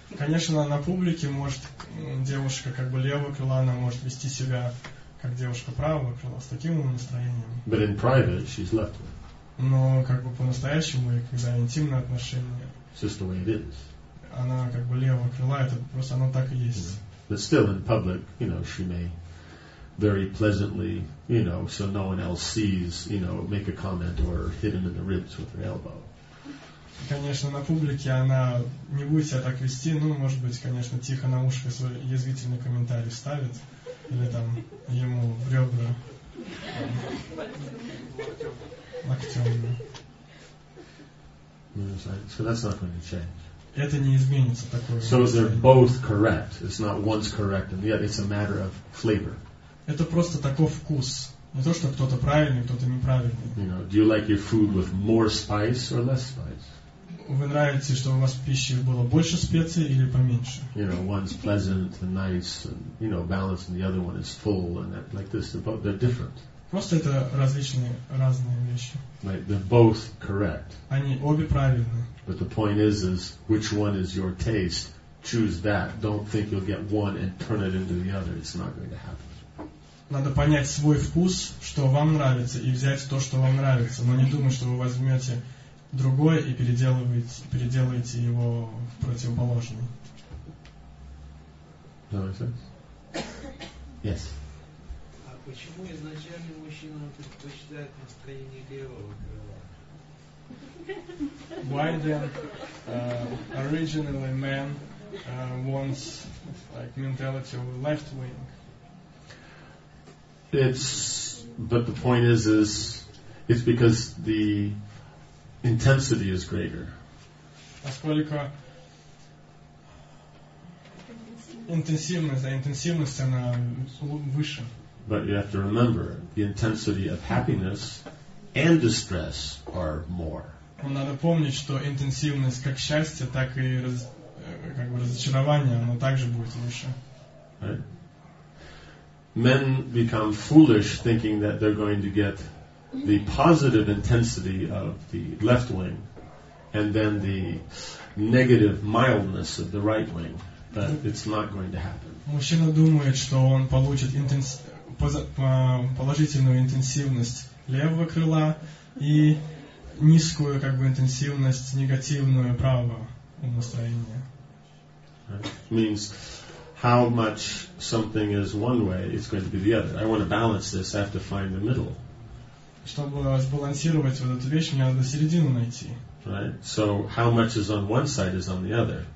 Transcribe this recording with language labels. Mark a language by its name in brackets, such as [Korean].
[Russian] Конечно, на публике может девушка как бы левого крыла, она может вести себя как девушка правого крыла с таким настроением. [English] But in private, she's left-wing. [Russian] Но как бы по-настоящему, когда интимные отношения, [English] it's just the way it is. [Russian] Она как бы левого крыла, это просто оно так и есть. [English] Yeah. But still, in public, you know, she may very pleasantly, you know, so no one else sees, you know, make a comment or hit him in the ribs with her elbow. [Russian] Конечно, на публике она не будет себя так вести, ну, может быть, конечно, тихо на ушко свой язвительный комментарий ставит, или там ему в ребра локтем. [English] So that's not going to change. [Russian] Это не изменится такое. [English] So they're both correct. It's not one's correct and the other. It's a matter of flavor. [Russian] Это просто такой вкус. Не то, что кто-то правильный, кто-то неправильный. [English] You know, do you like your food with more spice or less spice? [Russian] Вы нравитесь, чтобы у вас в пище было больше специй или поменьше? [English] You know, one's pleasant and nice and, you know, balanced, and the other one is full and that, like this. They're different. [Russian] Просто это различные, разные вещи. [English] Right, they're both correct. [Russian] Они обе правильны. [English] But the point is which one is your taste? Choose that. Don't think you'll get one and turn it into the other. It's not going to happen. [Russian] Надо понять свой вкус, что вам нравится, и взять то, что вам нравится. Но не думать, что вы возьмете другое и переделаете его в противоположное. [English] Yes. [Russian] А почему изначально мужчина предпочитает настроение левого крыла? [English] Why then originally man wants like mentality of left wing? But the point is it's because the intensity is greater. [Russian] Поскольку интенсивность она выше. [English] But you have to remember the intensity of happiness and distress are more. [Russian] Надо помнить, что интенсивность как счастья, так и как бы разочарования, она также будет выше. [English] Men become foolish thinking that they're going to get the positive intensity of the left wing and then the negative mildness of the right wing. But it's not going to happen. [Russian] Мужчина думает, что он получит положительную интенсивность левого крыла и низкую как бы интенсивность негативную правого настроения. [English] Means how much something is one way, it's going to be the other. I want to balance this, I have to find the middle. [Russian] Чтобы сбалансировать вот эту вещь, мне надо середину найти. [English] Right? So how much is on one side is on the other.